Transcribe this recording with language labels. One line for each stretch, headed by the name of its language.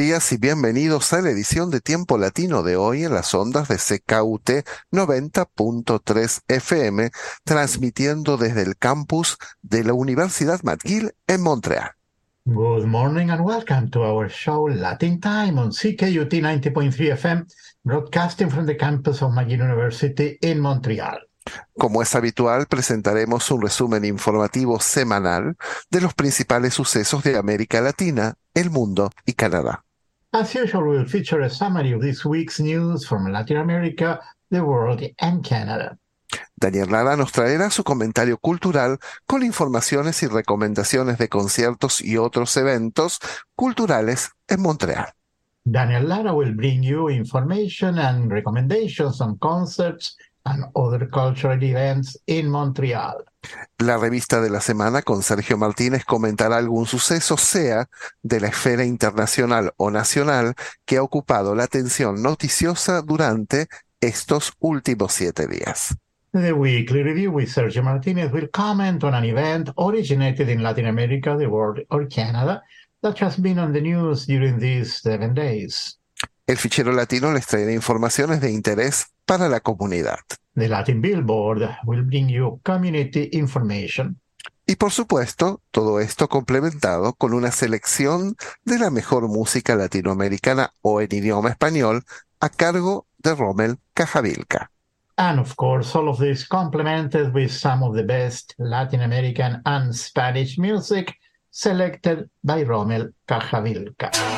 Spanish: Y bienvenidos a la edición de Tiempo Latino de hoy en las ondas de CKUT 90.3 FM, transmitiendo desde el campus de la Universidad McGill en Montreal.
English: Good morning and welcome to our show Latin Time on CKUT 90.3 FM, broadcasting from the campus of McGill University in Montreal.
Spanish: Como es habitual, presentaremos un resumen informativo semanal de los principales sucesos de América Latina, el mundo y Canadá.
English: As usual, we'll feature a summary of this week's news from Latin America, the world, and Canada.
Spanish: Daniel Lara nos traerá su comentario cultural con informaciones y recomendaciones de conciertos y otros eventos culturales en Montreal.
English: Daniel Lara will bring you information and recommendations on concerts and other cultural events in Montreal.
Spanish: La revista de la semana con Sergio Martínez comentará algún suceso, sea de la esfera internacional o nacional, que ha ocupado la atención noticiosa durante estos últimos 7 días.
English: The Weekly Review with Sergio Martínez will comment on an event originated in Latin America, the world, or Canada that has been on the news during these 7 days.
Spanish: El fichero latino les traerá informaciones de interés para la comunidad.
English: The Latin Billboard will bring you community information.
Spanish: Y por supuesto, todo esto complementado con una selección de la mejor música latinoamericana o en idioma español a cargo de Rommel Cajavilca.
English: And of course, all of this complemented with some of the best Latin American and Spanish music selected by Rommel Cajavilca.